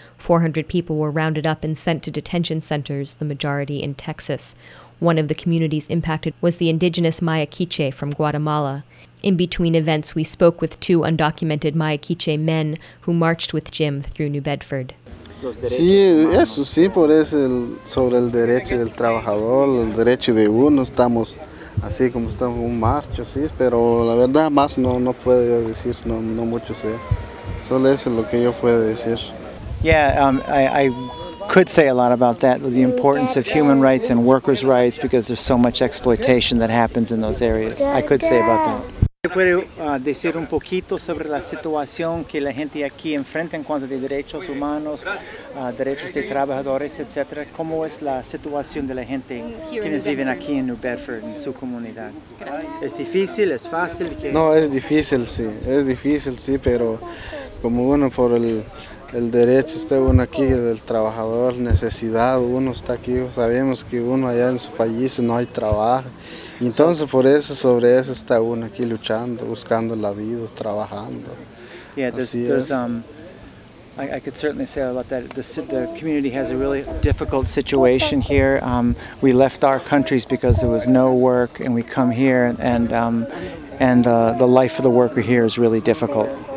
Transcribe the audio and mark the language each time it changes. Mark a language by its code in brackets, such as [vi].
[en] 400 people were rounded up and sent to detention centers, the majority in Texas. One of the communities impacted was the indigenous Maya Quiche from Guatemala. In between events, we spoke with two undocumented Maya Quiche men who marched with Jim through New Bedford. [es] Sí, eso sí, por eso el, sobre el derecho del trabajador, el derecho de uno, estamos así como estamos en un marcho, sí, pero la verdad más no puedo decir, no mucho sé, solo eso es lo que yo puedo decir. [en] Yeah, I could say a lot about that, the importance of human rights and workers' rights, because there's so much exploitation that happens in those areas. I could say about that. [es] ¿Qué puede decir un poquito sobre la situación que la gente aquí enfrenta en cuanto a derechos humanos, derechos de trabajadores, etcétera? ¿Cómo es la situación de la gente quienes viven aquí en New Bedford, en su comunidad? ¿Es difícil? ¿Es fácil? ¿Qué? No, es difícil, sí, pero como uno por el derecho está uno aquí, del trabajador, necesidad, uno está aquí, sabemos que uno allá en su país no hay trabajo. Entonces, por eso, sobre eso está uno aquí luchando, buscando la vida, trabajando. [en] Yeah, I could certainly say about that. The community has a really difficult situation here. We left our countries because there was no work, and we come here, and the life of the worker here is really difficult.